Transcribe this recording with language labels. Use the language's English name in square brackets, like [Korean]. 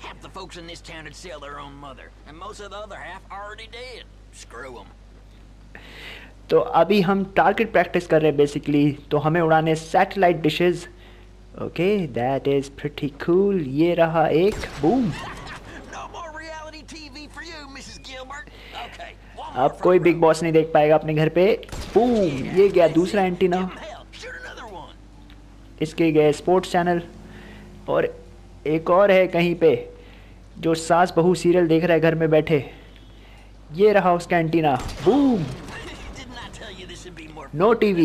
[English] Half the folks in this town would sell their own mother, and most of the other half already dead. Screw them. [Hindi] तो अभी हम target practice कर रहे हैं basically, तो हमें उड़ाने satellite dishes. [English] Okay, that is pretty cool. [Hindi] ये रहा एक, boom. [English] No more reality TV for you, Mrs. Gilbert. Okay. [Hindi] अब कोई बिग बॉस नहीं देख पाएगा अपने घर पे। बूम, ये गया दूसरा एंटीना। [English] Shoot another one. [Hindi] इसके गए स्पोर्ट्स चैनल, और एक और है कहीं पे जो सास बहू सीरियल देख रहा है घर में बैठे। ये रहा उसका एंटीना, बूम। No TV.